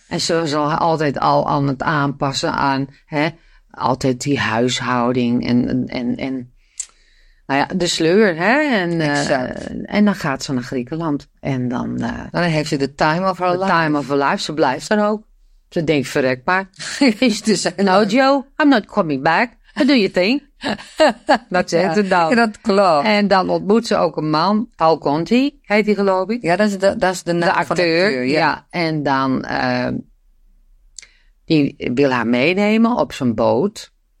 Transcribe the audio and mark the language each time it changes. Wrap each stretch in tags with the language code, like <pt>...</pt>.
<nl>En ze zal altijd al aan het aanpassen aan, hè, altijd die huishouding en de sleur, hè. En dan gaat ze naar Griekenland. En dan heeft ze de</nl> <en>time of her life. The time of her life,</en> <nl>ze blijft dan ook. Ze denkt, verrekbaar.</nl> <en>No, Joe, I'm not coming back. I do your thing.</en> <nl>Dat zegt ze dan. Ja, dat klopt. En dan ontmoet ze ook een man. Paul Conti, heet hij geloof ik. Ja, dat is de naam van de acteur. Ja. En dan... die wil haar meenemen op zijn boot.</nl>